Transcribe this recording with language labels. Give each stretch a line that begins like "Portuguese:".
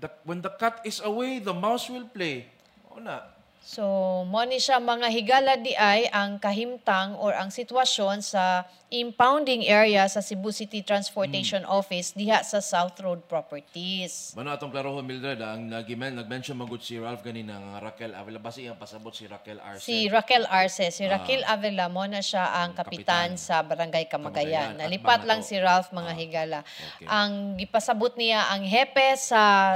English: when the cat is away, the mouse will play.
Cebuano: So, mo ni siya mga higala di ay ang kahimtang or ang sitwasyon sa impounding area sa Cebu City Transportation Office diha sa South Road Properties. Mano atong klaruhon, Mildred, ang nag-mention magud si Ralph ganina nga Raquel Avila, basi ang pasabot si Raquel Arce. Si Raquel Arce, si Raquel Avila, mo na siya ang kapitan sa Barangay Kamagayan. Nalipat lang si Ralph mga higala. Okay. Ang gipasabot niya ang hepe sa